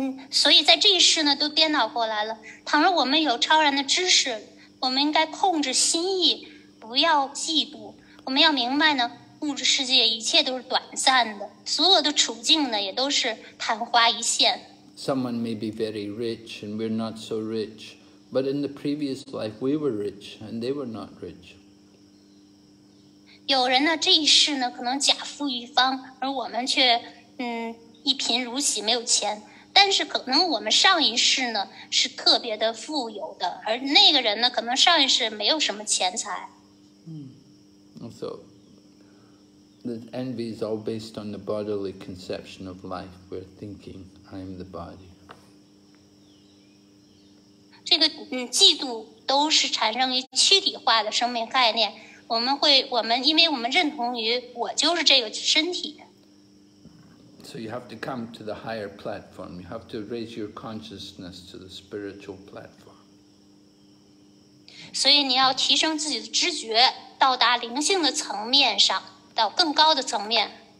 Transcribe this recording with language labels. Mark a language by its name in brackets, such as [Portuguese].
[Chinese] 所以在这一世呢，都颠倒过来了。倘若我们有超然的知识，我们应该控制心意，不要嫉妒。我们要明白呢。物质世界一切都是短暂的，所有的处境呢，也都是昙花一现。 [English] Someone may be very rich and we're not so rich, but in the previous life we were rich and they were not rich. [Chinese] 有人呢，这一世呢，可能假富一方，而我们却一贫如洗，没有钱。但是可能我们上一世呢，是特别的富有的，而那个人呢，可能上一世没有什么钱财。 [English] So. The envy is all based on the bodily conception of life. We're thinking, I am the body. [Chinese] 这个嫉妒都是产生于躯体化的生命概念。我们因为我们认同于我就是这个身体。 [English] So So you have to come to the higher platform. You have to raise your consciousness to the spiritual platform. [Chinese] 所以你要提升自己的知觉，到达灵性的层面上，到更高的层面。